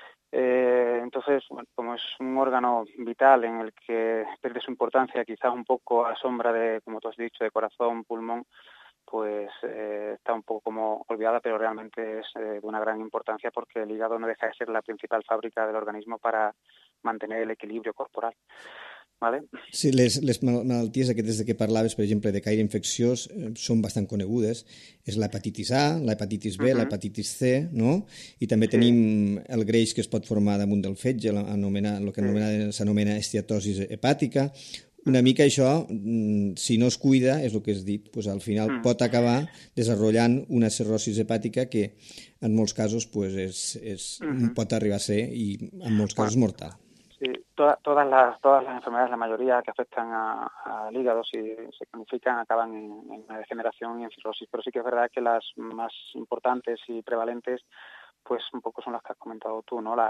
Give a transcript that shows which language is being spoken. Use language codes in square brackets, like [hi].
[es] Entonces, bueno, como es un órgano vital en el que pierde su importancia, quizás un poco a sombra de, como tú has dicho, de corazón, pulmón, pues está un poco como olvidada, pero realmente es de una gran importancia porque el hígado no deja de ser la principal fábrica del organismo para mantener el equilibrio corporal, ¿vale? [ca] Sí, les malalties aquestes de què parlaves, per exemple, de caire infecciós, són bastant conegudes. És l'hepatitis A, l'hepatitis B, uh-huh, l'hepatitis C, no? I també sí, tenim el greix que es pot formar damunt del fetge, s'anomena esteatosi hepàtica. Una mica això, si no es cuida, és el que has dit, doncs al final pot acabar desenvolupant una cirrosi hepàtica que en molts casos doncs és pot arribar a ser, i en molts casos, mortal. [es] Sí, todas las enfermedades, la mayoría que afectan al hígado, si se cronifican, acaban en una degeneración y en cirrosis, pero sí que es verdad que las más importantes y prevalentes pues un poco son las que has comentado tú, ¿no?